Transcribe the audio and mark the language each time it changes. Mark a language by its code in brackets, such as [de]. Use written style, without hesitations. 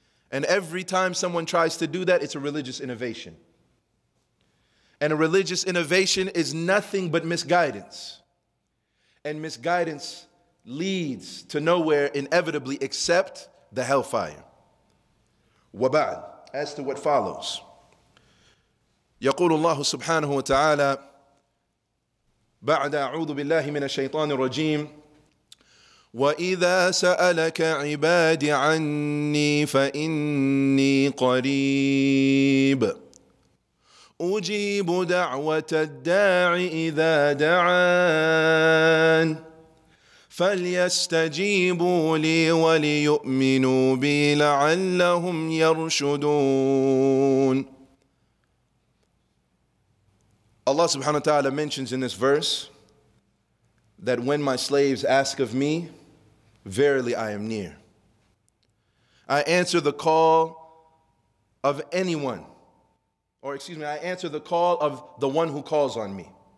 [en] And every time someone tries to do that, it's a religious innovation. And a religious innovation is nothing but misguidance. And misguidance leads to nowhere inevitably except the hellfire. [ar] وبعد, [en] as to what follows. [ar] يقول الله سبحانه وتعالى بعد أعوذ بالله من الشيطان الرجيم وإذا سألك عبادي عني فإني قريب أجيب دعوة الداعي إذا دعان فليستجيبوا لي وليؤمنوا بي لعلهم يرشدون. [en] Allah subhanahu wa ta'ala mentions in this verse that when my slaves ask of me, verily I am near. I answer the call of anyone, I answer the call of the one who calls on me.